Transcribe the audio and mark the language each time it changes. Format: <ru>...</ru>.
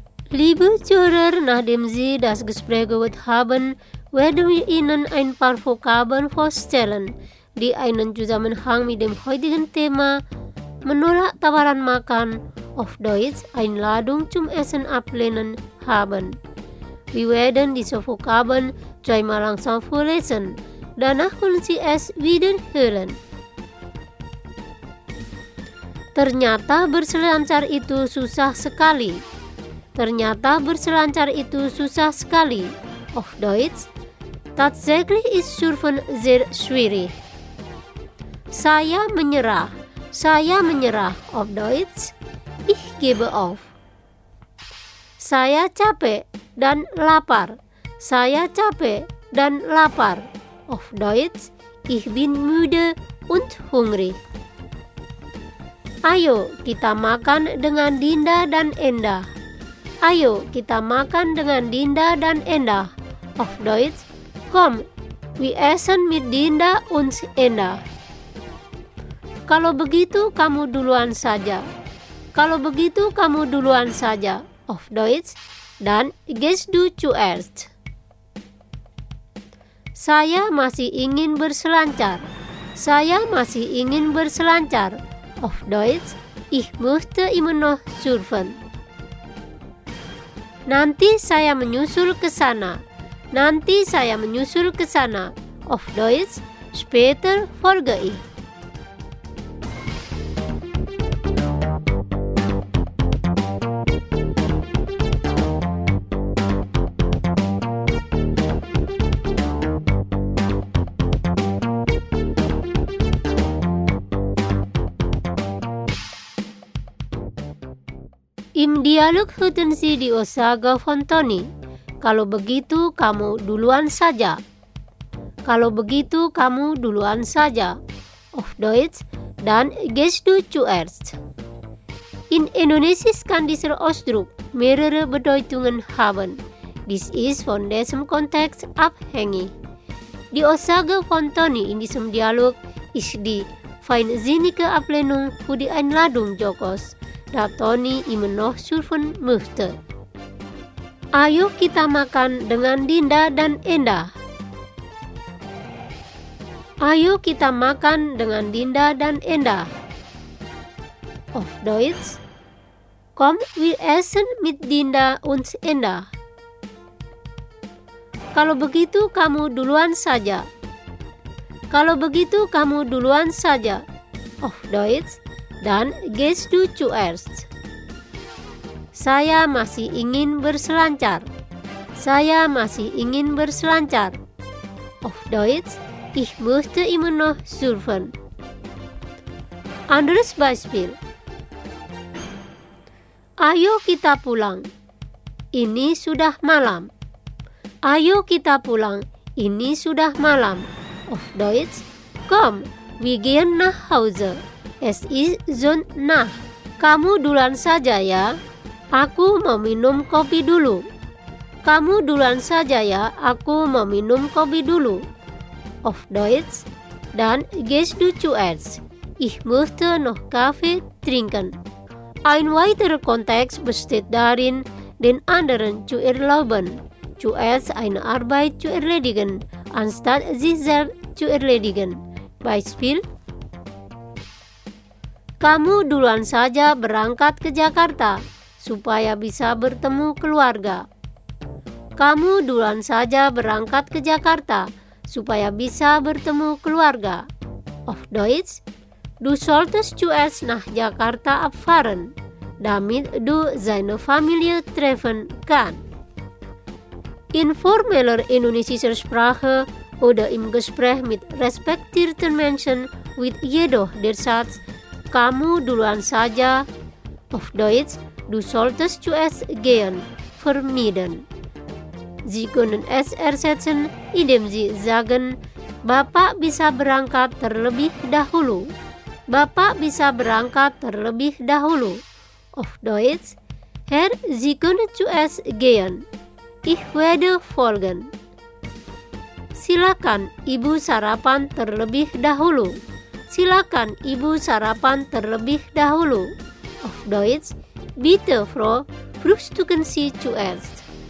<de>Liebe Zuhörer, nachdem Sie das Gespräch gehört haben, werden wir Ihnen ein paar Vokabeln vorstellen, die einen Zusammenhang mit dem heutigen Thema</de> <id>Menolak Tawaran Makan,</id> <de>auf Deutsch Einladung zum Essen ablehnen, haben. Wir werden diese Vokabeln zweimal langsam vorlesen, danach können Sie es wiederhören.</de> <id>Ternyata berselancar itu susah sekali. Ternyata berselancar itu susah sekali.</id> <de>Auf Deutsch, tatsächlich ist surfen sehr schwierig.</de> <id>Saya menyerah. Saya menyerah.</id> <de>Auf Deutsch, ich gebe auf.</de> <id>Saya capek dan lapar. Saya capek dan lapar.</id> <de>Auf Deutsch, ich bin müde und hungrig.</de> <id>Ayo, kita makan dengan Dinda dan Enda. Ayo, kita makan dengan Dinda dan Enda.</id> <de>Auf Deutsch, komm, wir essen mit Dinda und Enda.</de> <id>Kalau begitu, kamu duluan saja. Kalau begitu, kamu duluan saja.</id> <de>Auf Deutsch, dann gehst du zuerst.</de> <id>Saya masih ingin berselancar. Saya masih ingin berselancar.</id> <de>Auf Deutsch, ich möchte immer noch surfen.</de> <id>Nanti saya menyusul ke sana. Nanti saya menyusul ke sana.</id> <de>auf Deutsch später folge ich. Im Dialog hutan si di Osaka von Tony.</de> <id>Kalau begitu kamu duluan saja. Kalau begitu kamu duluan saja.</id> <de>Auf Deutsch dan gehst du zuerst. In Indonesisch kan dieser Ausdruck mehrere Bedeutungen haben.</de> <en>This is</en> <de>von diesem Kontext abhängig. Di Osaka von Tony in diesem Dialog ist die feinsinnige Ablehnung für die Einladung Jokos. Da Tony immer noch surfen möchte.</de> <id>Ayo kita makan dengan Dinda dan Enda. Ayo kita makan dengan Dinda dan Enda.</id> <de>Auf Deutsch. Komm, wir essen mit Dinda und Enda.</de> <id>Kalau begitu kamu duluan saja. Kalau begitu kamu duluan saja.</id> <de>Auf Deutsch. Dan gehst du zuerst.</de> <id>Saya masih ingin berselancar. Saya masih ingin berselancar.</id> <de>Auf Deutsch, ich möchte immer noch surfen. Anderes Beispiel.</de> <id>Ayo kita pulang. Ini sudah malam. Ayo kita pulang. Ini sudah malam.</id> <de>Auf Deutsch, komm, wir gehen nach Hause. Es ist schon Nacht.</de> <id>Kamu duluan saja ya. Aku mau minum kopi dulu. Kamu duluan saja ya. Aku mau minum kopi dulu.</id> <de>Auf Deutsch. Dan gehst du zuerst. Ich möchte noch Kaffee trinken. Ein weiterer Kontext besteht darin, den anderen zu erlauben, zuerst eine Arbeit zu erledigen, anstatt sich selbst zu erledigen. Beispiel.</de> <id>Kamu duluan saja berangkat ke Jakarta supaya bisa bertemu keluarga. Kamu duluan saja berangkat ke Jakarta supaya bisa bertemu keluarga.</id> <de>Auf Deutsch, du solltest zuerst nach Jakarta abfahren, damit du seine Familie treffen kannst. In formeller indonesischer Sprache oder im Gespräch mit respektierten Menschen wird jedoch der Satz</de> <id>Kamu duluan saja,</id> <de>auf Deutsch, du solltest zuerst gehen, vermieden. Sie können es ersetzen, indem Sie sagen,</de> <id>Bapak bisa berangkat terlebih dahulu. Bapak bisa berangkat terlebih dahulu.</id> <de>Auf Deutsch, Herr, Sie können zuerst gehen. Ich werde folgen.</de> <id>Silakan, Ibu sarapan terlebih dahulu. Silakan Ibu sarapan terlebih dahulu.</id> <de>Auf Deutsch, bitte Frau, frühstücken Sie zuerst.</de>